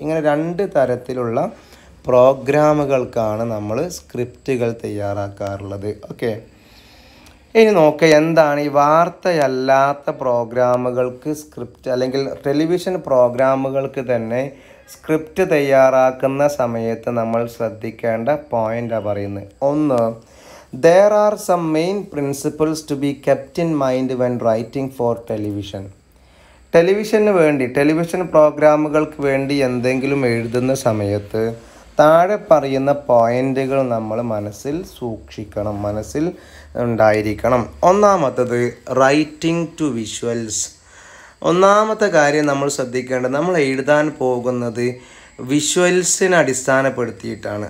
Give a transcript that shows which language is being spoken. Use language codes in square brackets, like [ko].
[ml] ഇങ്ങനെ 2 തരത്തിലുള്ള പ്രോഗ്രാമുകൾക്കാണ് നമ്മൾ സ്ക്രിപ്റ്റുകൾ തയ്യാറാക്കാറുള്ളത്. ഓക്കെ, ഇനി നോക്കുക, എന്താണ് ഈ വാർത്തയല്ലാത്ത പ്രോഗ്രാമുകൾക്ക് സ്ക്രിപ്റ്റ്, അല്ലെങ്കിൽ ടെലിവിഷൻ പ്രോഗ്രാമുകൾക്ക് തന്നെ സ്ക്രിപ്റ്റ് തയ്യാറാക്കുന്ന സമയത്ത് നമ്മൾ ശ്രദ്ധിക്കേണ്ട പോയിൻ്റാണ് പറയുന്നത്. ഒന്ന്, [en] There are some main principles to be kept in mind when writing for television. [ml] ടെലിവിഷന് വേണ്ടി, ടെലിവിഷൻ പ്രോഗ്രാമുകൾക്ക് വേണ്ടി എന്തെങ്കിലും എഴുതുന്ന സമയത്ത് താഴെ പറയുന്ന പോയിൻ്റുകൾ നമ്മൾ മനസ്സിൽ സൂക്ഷിക്കണം, മനസ്സിൽ ഉണ്ടായിരിക്കണം. ഒന്നാമത്തേത് [en] Writing to visuals. [ml] ഒന്നാമത്തെ കാര്യം നമ്മൾ ശ്രദ്ധിക്കേണ്ടത്, നമ്മൾ എഴുതാൻ പോകുന്നത് വിഷ്വൽസിനെ അടിസ്ഥാനപ്പെടുത്തിയിട്ടാണ്.